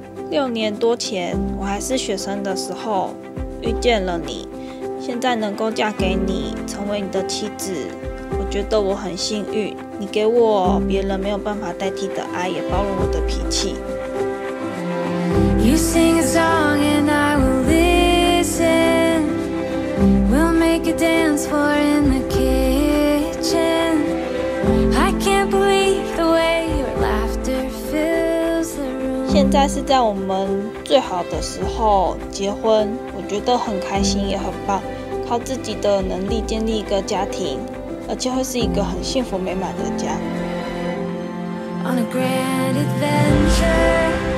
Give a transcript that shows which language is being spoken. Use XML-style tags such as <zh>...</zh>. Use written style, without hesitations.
<zh>六年多前，我还是学生的时候遇见了你。现在能够嫁给你，成为你的妻子，我觉得我很幸运。你给我别人没有办法代替的爱，也包容我的脾气。</zh> <en>You sing a song and I will listen. We'll make a dance floor in the kitchen. I can't believe the way your laughter feels.</en> <zh>现在是在我们最好的时候结婚，我觉得很开心也很棒，靠自己的能力建立一个家庭，而且会是一个很幸福美满的家。</zh> <en>On a grand adventure,</en>